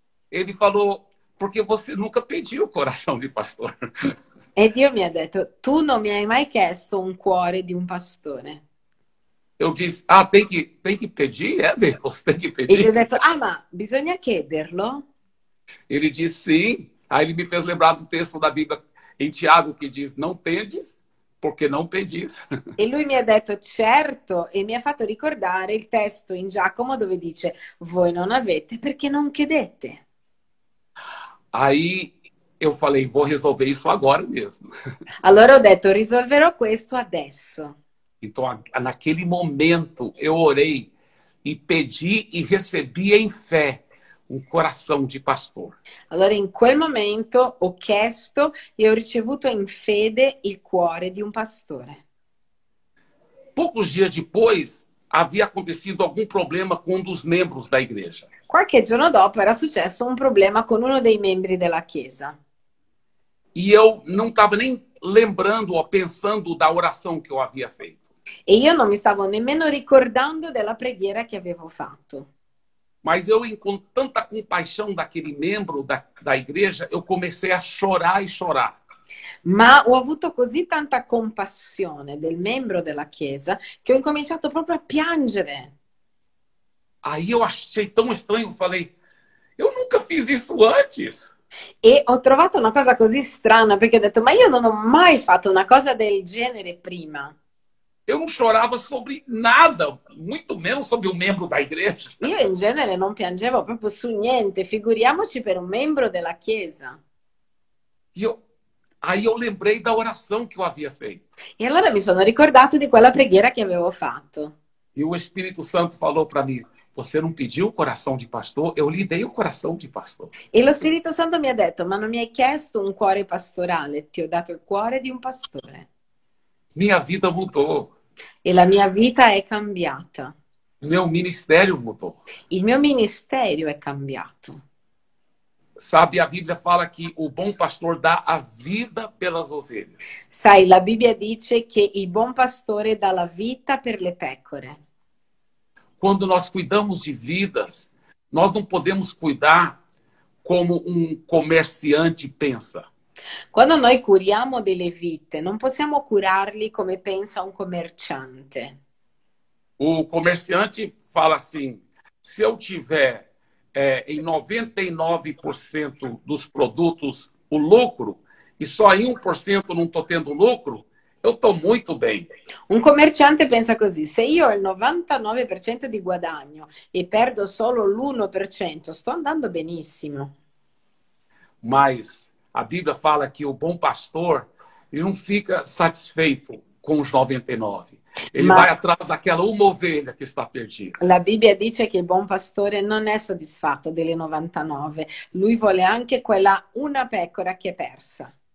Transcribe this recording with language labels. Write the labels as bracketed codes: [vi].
[pt] Ele falou: porque você nunca pediu o coração de pastor. [it] E Dio mi ha detto, tu non mi hai mai chiesto un cuore di un pastore. [pt] Eu disse: ah, tem que pedir, é Deus, tem que [it] E gli ho detto, ah, ma bisogna chiederlo? [pt] Ele disse: sim. Aí ele me fez lembrar do texto da Bíblia em Tiago que diz: não pedis, porque não pedis. [it] E lui mi ha detto certo e mi ha fatto ricordare il testo in Giacomo dove dice voi non avete perché non chiedete. [pt] Aí eu falei: vou resolver isso agora mesmo. [it] Allora ho detto risolverò questo adesso. [pt] Então, naquele momento, eu orei e pedi e recebi em fé um coração de pastor. [it] Allora in quel momento ho chiesto e ho ricevuto in fede il cuore di un pastore. [pt] Poucos dias depois, havia acontecido algum problema com um dos membros da igreja. [it] Qualche giorno dopo era successo un problema con uno dei membri della chiesa. [pt] E eu não estava nem lembrando ou pensando da oração che eu havia feito. [it] E io non mi stavo nemmeno ricordando della preghiera che avevo fatto. [pt] Mas eu, com tanta compaixão daquele membro da igreja, eu comecei a chorar e chorar. [it] Ma ho avuto così tanta compassione del membro della chiesa che ho incominciato proprio a piangere. [pt] Aí eu achei tão estranho, falei: eu nunca fiz isso antes. [it] E ho trovato una cosa così strana perché ho detto, ma io non ho mai fatto una cosa del genere prima. [pt] Eu não chorava sobre nada, muito menos sobre o membro da igreja. [it] Io in genere non piangevo proprio su niente, figuriamoci per un membro della chiesa. [pt] Aí eu lembrei da oração que eu havia feito. [it] E allora mi sono ricordato di quella preghiera che avevo fatto. [pt] E o Espírito Santo falou para mim: você não pediu o coração de pastor, eu lhe dei o coração de pastor. [it] E lo Spirito Santo mi ha detto, ma non mi hai chiesto un cuore pastorale, ti ho dato il cuore di un pastore. [pt] Minha vida mudou. [it] E la mia vita è cambiata. [pt] Meu ministério mudou. [it] Il mio ministero è cambiato. [pt] Sabe, a Bíblia fala que o bom pastor dà a vida pelas ovelhas. [it] Sai, la Bibbia dice che il buon pastore dà la vita per le pecore. [pt] Quando nós cuidamos de vidas, nós não podemos cuidar como um comerciante pensa. [it] Quando noi curiamo delle vite, non possiamo curarli come pensa un commerciante. [pt] O comerciante fala assim: se eu tiver em 99% dos produtos o lucro, e só em 1% não estou tendo lucro, eu estou muito bem. [it] Un commerciante pensa così: se io ho il 99% di guadagno e perdo solo l'1%, sto andando benissimo. [pt] Mas a Bíblia fala que o bom pastor, ele não fica satisfeito com os 99%. Ele [it] Ma [pt] vai atrás daquela uma ovelha [it] che sta perdita. la Bibbia dice che il buon pastore non è soddisfatto delle 99, lui vuole anche quella una pecora che è persa.